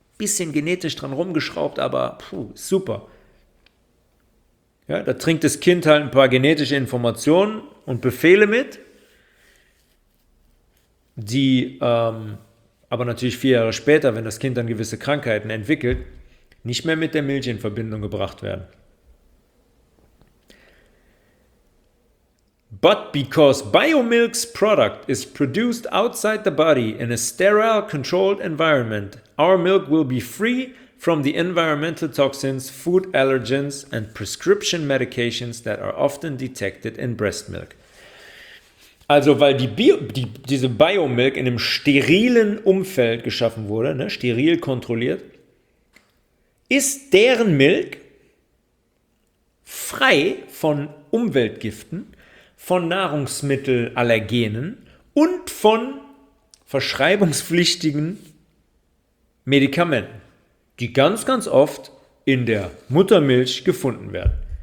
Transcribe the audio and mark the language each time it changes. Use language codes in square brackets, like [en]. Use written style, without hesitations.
[de] Bisschen genetisch dran rumgeschraubt, aber puh, super. Ja, da trinkt das Kind halt ein paar genetische Informationen und Befehle mit, die aber natürlich 4 Jahre später, wenn das Kind dann gewisse Krankheiten entwickelt, nicht mehr mit der Milch in Verbindung gebracht werden. [en] But because Biomilk's product is produced outside the body in a sterile controlled environment, our milk will be free from the environmental toxins, food allergens and prescription medications that are often detected in breast milk. [de] Also weil diese Biomilk in einem sterilen Umfeld geschaffen wurde, ne, steril kontrolliert, ist deren Milch frei von Umweltgiften, von Nahrungsmittelallergenen und von verschreibungspflichtigen Medikamenten, die ganz, ganz oft in der Muttermilch gefunden werden.